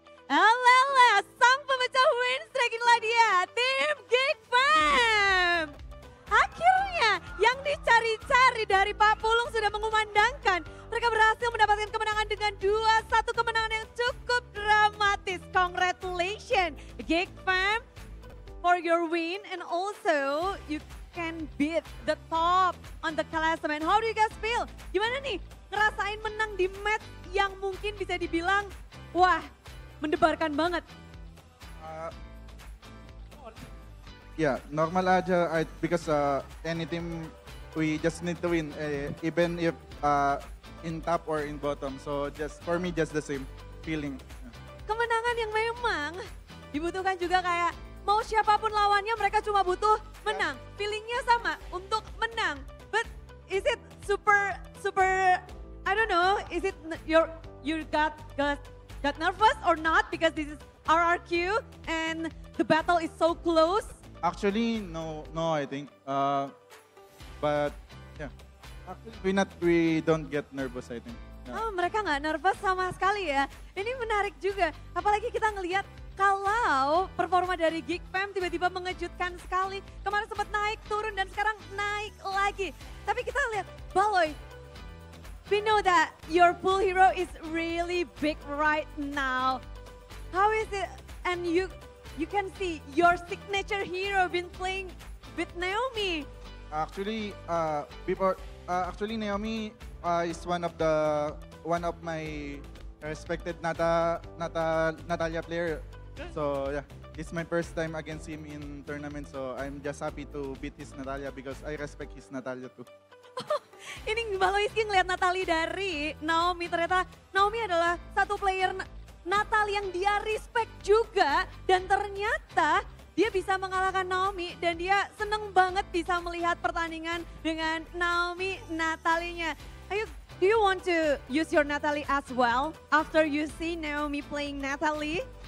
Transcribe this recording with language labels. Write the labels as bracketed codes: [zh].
[id] Alala, sang pemecah win streak inilah dia, tim Geek Fam. Akhirnya yang dicari-cari dari Pak Pulung sudah mengumandangkan. Mereka berhasil mendapatkan kemenangan dengan 2-1, kemenangan yang cukup dramatis. [en] Congratulations, Geek Fam, for your win and also you can beat the top on the classement. How do you guys feel? [id] Gimana nih, ngerasain menang di match yang mungkin bisa dibilang, wah, mendebarkan banget. [en] Yeah, normal aja because any team we just need to win even if in top or in bottom. So just for me just the same feeling. [id] Kemenangan yang memang dibutuhkan juga kayak mau siapapun lawannya mereka cuma butuh menang. Yeah. Feelingnya sama untuk menang. [en] But is it super I don't know, is it you got nervous or not because this is RRQ and the battle is so close? Actually, no, I think. But yeah, actually we don't get nervous, I think. [id] Yeah. Oh, mereka nggak nervous sama sekali ya. Ini menarik juga, apalagi kita ngelihat kalau performa dari Geek Fam tiba-tiba mengejutkan sekali. Kemarin sempat naik, turun, dan sekarang naik lagi. Tapi kita lihat, Baloy. [en] We know that your pool hero is really big right now. How is it? And you can see your signature hero been playing beat Naomi? Actually Naomi is one of my respected Natalia player. So yeah, it's my first time against him in tournament, so I'm just happy to beat his Natalia because I respect his Natalia too. [id] Ini Mbak Loiski ngeliat Natalie dari Naomi, ternyata Naomi adalah satu player Natalie yang dia respect juga, dan ternyata dia bisa mengalahkan Naomi dan dia seneng banget bisa melihat pertandingan dengan Naomi Natalinya. [en] Ayo, do you want to use your Natalie as well after you see Naomi playing Natalie?